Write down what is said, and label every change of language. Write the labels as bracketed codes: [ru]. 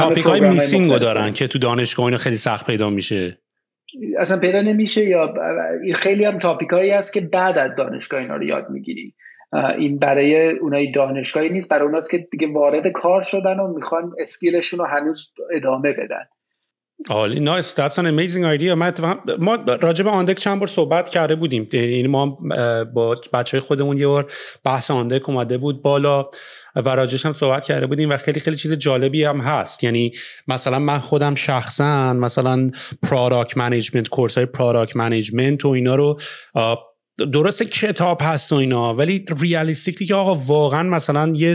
[fa] تاپیک های میسینگ دارن که تو دانشگاه اینا خیلی سخت پیدا میشه، اصلا پیدا نمیشه، یا خیلی هم تاپیک هایی هست که بعد از دانشگاه اینا رو یاد میگیری. این برای اونای دانشگاهی نیست، برای اوناست که دیگه وارد کار شدن و میخوان اسکیلشون رو هنوز ادامه بدن. عالی، نایس، [en] that's an amazing idea. [fa] ما راجع به آندک چند بار صحبت کرده بودیم، یعنی ما با بچهای خودمون یه بار بحث آندک اومده بود بالا و راجعش هم صحبت کرده بودیم و خیلی خیلی چیز جالبی هم هست. یعنی مثلا من خودم شخصا مثلا پروداکت منیجمنت، کورس های پروداکت منیجمنت و اینا رو، درسته کتاب هست و اینا، ولی ریالیستیکلی که آقا واقعا مثلا